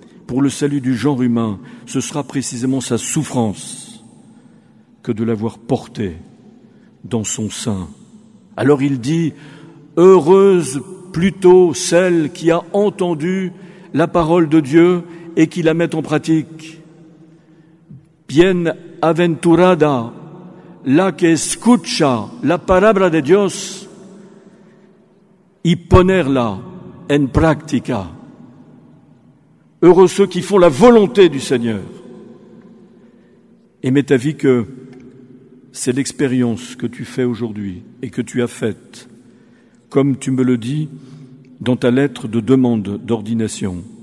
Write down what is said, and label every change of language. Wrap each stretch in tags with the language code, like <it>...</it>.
<fr>pour le salut du genre humain, ce sera précisément sa souffrance que de l'avoir portée dans son sein. Alors il dit « Heureuse plutôt celle qui a entendu la parole de Dieu et qui la met en pratique.</fr> <es>Bienaventurada la que escucha la palabra de Dios y ponerla en práctica.</es> <fr>Heureux ceux qui font la volonté du Seigneur. » Et m'est avis que c'est l'expérience que tu fais aujourd'hui et que tu as faite, comme tu me le dis dans ta lettre de demande d'ordination.</fr>